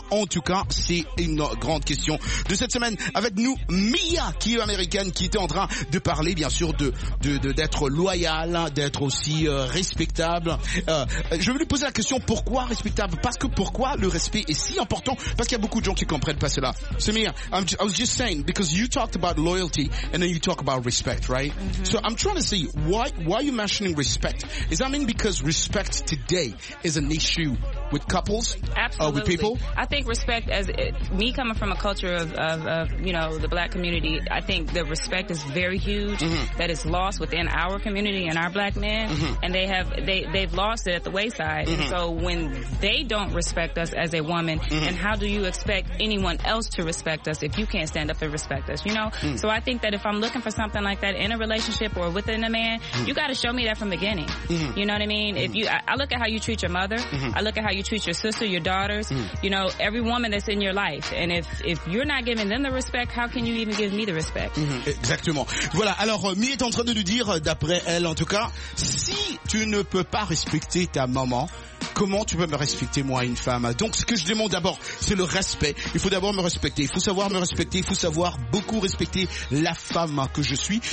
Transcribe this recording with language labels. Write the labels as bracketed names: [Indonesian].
[French] En tout cas, c'est une grande question de cette semaine. Avec nous, Mia, qui est américaine, qui était en train de parler, bien sûr, d'être loyal, d'être aussi respectable. Je vais lui poser la question, pourquoi respectable? Parce que pourquoi le respect est si important? Parce qu'il y a beaucoup de gens qui comprennent pas cela. [English] So Mia, I was just saying, because you talked about loyalty, and then you talk about respect, right? Mm-hmm. So I'm trying to say, why are you mentioning respect? Is that mean because respect today is an issue with couples? Absolutely. With people? I think respect, me coming from a culture of you know, the black community, I think the respect is very huge. Mm-hmm. That is lost within our community and our black men. Mm-hmm. And they've lost it at the wayside. Mm-hmm. And so when they don't respect us as a woman, mm-hmm. and how do you expect anyone else to respect us if you can't stand up and respect us, you know? Mm-hmm. So I think that if I'm looking for something like that in a relationship or within a man, mm-hmm. you got to show me that from the beginning. Mm-hmm. You know what I mean? Mm-hmm. I look at how you treat your mother. Mm-hmm. I look at how you treat your sister, your daughters. Mm-hmm. You know, every woman that's in your life. And if you're not giving them the respect, how can you even give me the respect? [French] Mm-hmm. Exactement. Voilà. Alors, Mie est en train de nous dire, d'après elle en tout cas, si tu ne peux pas respecter ta maman, comment tu peux me respecter, moi, une femme? Donc, ce que je demande d'abord, c'est le respect. Il faut d'abord me respecter. Il faut savoir me respecter. Il faut savoir beaucoup respecter la femme que je suis.